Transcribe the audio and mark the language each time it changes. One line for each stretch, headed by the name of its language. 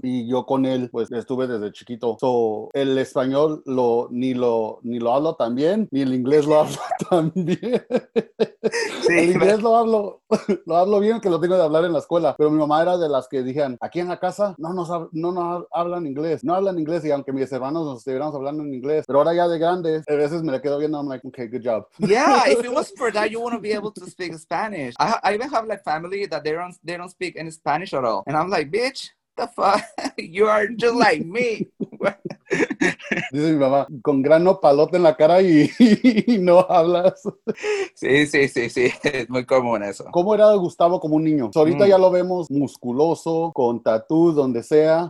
Spanish: Y yo con él, pues, estuve desde chiquito. So, el español ni lo hablo tan bien, ni el inglés lo hablo tan bien. Sí, el inglés lo hablo bien, que lo tengo de hablar en la escuela. Pero mi mamá era de las que dijeron, aquí en la casa no nos hablan inglés. No hablan inglés, y aunque mis hermanos nos estuviéramos hablando en inglés. Pero ahora ya de grandes, a veces me le quedo viendo,
English: I'm like, okay, good job. Yeah, if it wasn't for that, you wouldn't be able to speak Spanish. I even have like family that they don't speak any Spanish at all. And I'm like, bitch, the fuck? You are just like me.
Spanish: Dice mi mamá, con grano palote en la cara y no hablas. Sí, es muy común eso. ¿Cómo era Gustavo como un niño? So, ahorita ya lo vemos musculoso, con tatú, donde sea.